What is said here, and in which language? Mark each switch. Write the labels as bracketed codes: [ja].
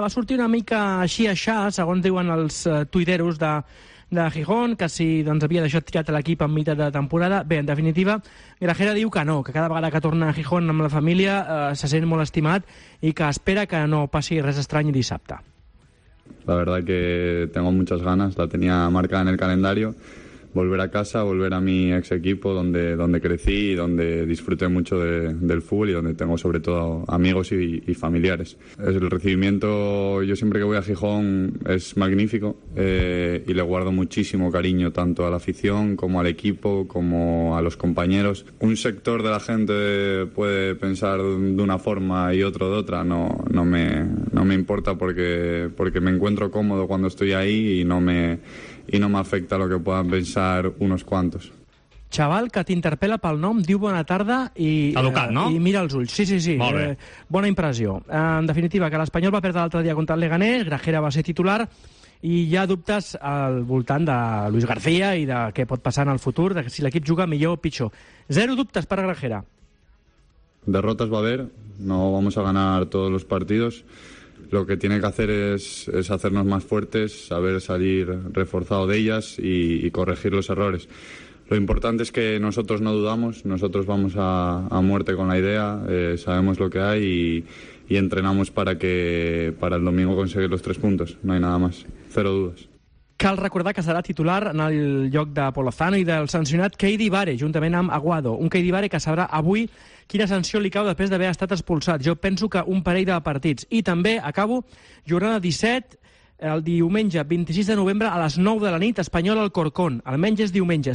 [ca] Va sortir una mica així a xar, segons diuen els tuiteros de Gijón, que si doncs havia deixat tirat l'equip en mitja de temporada. Bé, en definitiva, Grajera diu que no, que cada vegada que torna a Gijón amb la família se sent molt estimat i que espera que no passi res estrany dissabte. [es] La verdad que tengo muchas ganas, la tenía marcada en el calendario. volver a casa, volver a mi ex equipo donde crecí y donde disfruté mucho del fútbol y donde tengo sobre todo amigos y familiares. El recibimiento, yo siempre que voy a Gijón, es magnífico y le guardo muchísimo cariño tanto a la afición como al equipo como a los compañeros. Un sector de la gente puede pensar de una forma y otro de otra, no me importa porque me encuentro cómodo cuando estoy ahí y no me afecta lo que puedan pensar unos cuantos. [ca] Xaval, que t'interpel·la pel nom, diu bona tarda i... Educat, no? I mira els ulls. Sí. Molt bé. Bona impressió. En definitiva, que l'Espanyol va perdre l'altre dia contra el Leganés, Grajera va ser titular, i hi ha dubtes al voltant de Luis García i de què pot passar en el futur, de si l'equip juga millor o pitjor. Zero dubtes per Grajera. [es] Derrotes va haver, no vamos a ganar todos los partidos. Lo que tiene que hacer es hacernos más fuertes, saber salir reforzado de ellas y corregir los errores. Lo importante es que nosotros no dudamos, nosotros vamos a muerte con la idea, sabemos lo que hay y entrenamos para el domingo conseguir los tres puntos. No hay nada más, cero dudas. [ca] Cal recordar que serà titular en el lloc de Polozano i del sancionat Keydi Vare, juntament amb Aguado. Un Keydi Vare que sabrà avui quina sanció li cau després d'haver estat expulsat. Jo penso que un parell de partits. I també, acabo, jornada 17, el diumenge 26 de novembre, a les 9 de la nit, Espanyol al Corcón. Almenys és diumenge.